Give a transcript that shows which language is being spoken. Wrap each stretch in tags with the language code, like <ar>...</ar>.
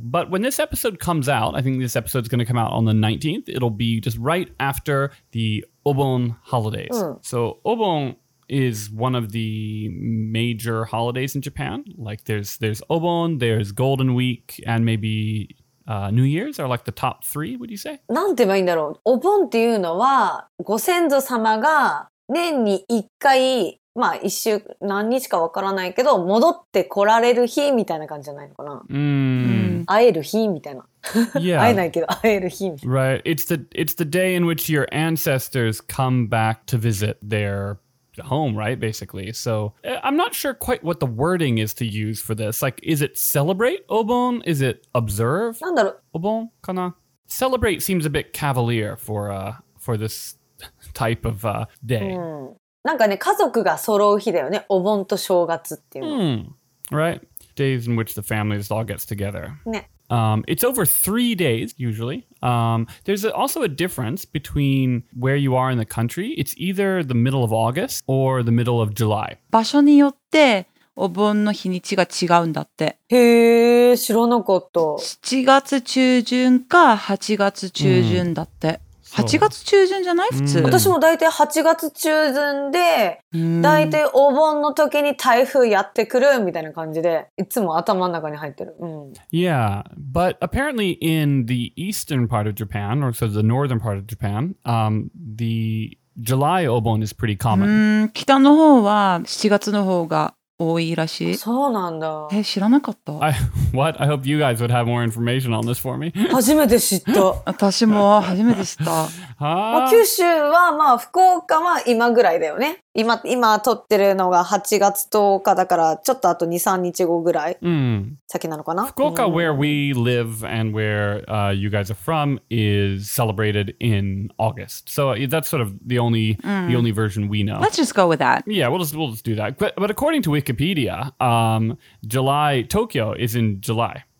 <en>But when this episode comes out, I think this episode's going to come out on the 19th, it'll be just right after the Obon holidays. So Obon is one of the major holidays in Japan. Like there's Obon, there's Golden Week, and maybe New Year's are like the top three, would you say?</en> <ja>なんて言えばいいんだろう。お盆っていうのは、ご先祖様が年に一回、まあ一週何日かわからないけど、戻って来られる日みたいな感じじゃないのかな。会える日みたいな。</ja> <en>Yeah.</en> <ja>会えないけど会える日みたいな。</ja> <en>Right. It's the day in which your ancestors come back to visit their home, right? Basically. So I'm not sure quite what the wording is to use for this. Like, is it celebrate Obon? Is it observe?</en> <ja>なんだろう。 Obon かな。</ja> <en>Celebrate seems a bit cavalier for this type of day.</en> <ja>なんかね、家族が揃う日だよね。お盆と正月っていうの。</ja> <en>Right. Days in which the families all gets together.</en> <ja>ね。</ja> <en>It's over 3 days, usually. There's also a difference between where you are in the country. It's either the middle of August or the middle of July.</en> <ja>場所によってお盆の日にちが違うんだって。へえ、知らなかった。 7月中旬か8月中旬だって。 Mm. So, 8月中旬じゃない普通、 mm. 私も大体8月中旬で、mm. 大体お盆の時に台風やってくるみたいな感じでいつも頭の中に入ってる、mm.</ja> <en>Yeah, but apparently in the eastern part of Japan or so the northern part of Japan the July Obon is pretty common、 mm.</en> <ja>北の方は7月の方が多いらしい。そうなんだ。え、知らなかった。</ja> <en>What? I hope you guys would have more information on this for me.</en> <ja>初めて知った。私も初めて知った。まあ、九州はまあ福岡は今ぐらいだよね。今撮ってるのが8月10日だからちょっとあと 2,3 日後ぐらい先なのかな。</ja> <en>福岡、where we live and where you guys are from, is celebrated in August. So that's sort of the only version we know. Let's just go with that. Yeah, we'll just do that. But according to Wikipedia, July, Tokyo is in July.</en>